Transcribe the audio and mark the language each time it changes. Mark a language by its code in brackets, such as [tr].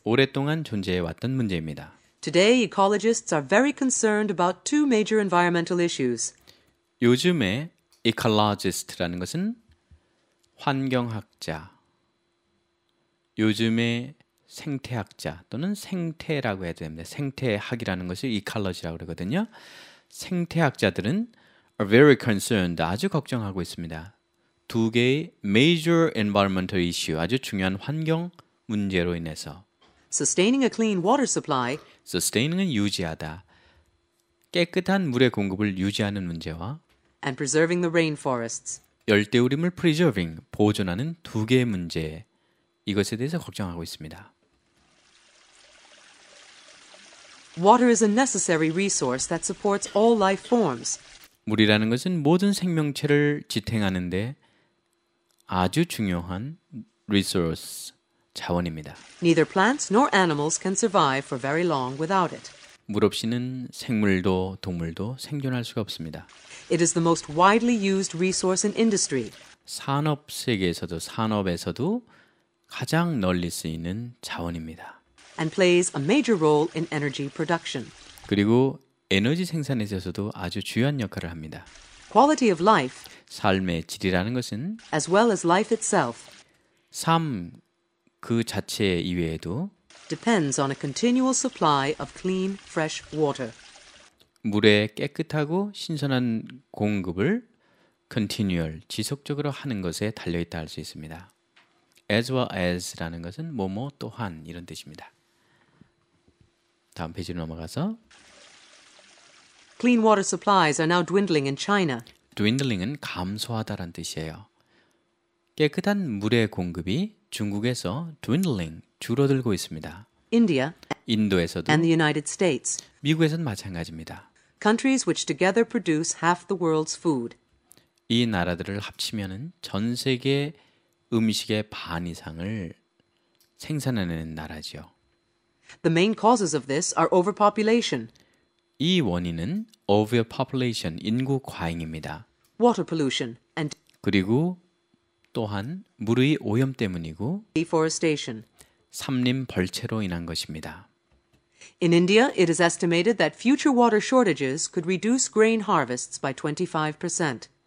[ko] 오랫동안 존재해왔던 문제입니다. [en] Today, ecologists are very concerned about two major environmental issues. [ko] 요즘에 ecologist라는 것은 환경학자, 요즘에 생태학자 또는 생태라고 해야 됩니다. 생태학이라는 것을 ecology라고 그러거든요. 생태학자들은 [en] are very concerned, [ko] 아주 걱정하고 있습니다. 두 개의 [en] major environmental issue, [ko] 아주 중요한 환경 문제로 인해서 [en] Sustaining a clean water supply. [ko] Sustaining은 유지하다. 깨끗한 물의 공급을 유지하는 문제와 [en] And preserving the rainforests. [ko] 열대우림을 preserving, 보존하는 두 개의 문제. 이것에 대해서 걱정하고 있습니다. [en] Water is a necessary resource that supports all life forms. [ko] 물이라는 것은 모든 생명체를 지탱하는 데 아주 중요한 resource. 자원입니다. [en] Neither plants nor animals can survive for very long without it. [ko] 물 없이는 생물도 동물도 생존할 수가 없습니다. [en] It is the most widely used resource in industry. [ko] 산업 세계에서도 산업에서도 가장 널리 쓰이는 자원입니다. [en] And plays a major role in energy production. [ko] 그리고 에너지 생산에 있어서도 아주 중요한 역할을 합니다. [en] Quality of life. [ko] 삶의 질이라는 것은 [en] as well as life itself. [ko] 삶 그 자체 이외에도 [en] depends on a continual supply of clean, fresh water. [ko] 물의 깨끗하고 신선한 공급을 continual, 지속적으로 하는 것에 달려있다 할 수 있습니다. [en] As well as [ko] 라는 것은 뭐뭐 또한 이런 뜻입니다. 다음 페이지로 넘어가서 [en] Clean water supplies are now dwindling in China. [ko] Dwindling은 감소하다라는 뜻이에요. 깨끗한 물의 공급이 중국에서 dwindling, 줄어들고 있습니다. [en] India, [ko] 인도에서도 [en] and the United States. [ko] 미국에서는 마찬가지입니다. [en] Countries which together produce half the world's food. [ko] 이 나라들을 합치면은 전 세계 음식의 반 이상을 생산하는 나라죠. [en] The main causes of this are overpopulation. [ko] 이 원인은 overpopulation, 인구 과잉입니다. [en] Water pollution and [ko] 그리고 또한 물의 오염 때문이고 삼림 벌채로 인한 것입니다. [en] In India, it is estimated that future water shortages could reduce grain harvests by 25%.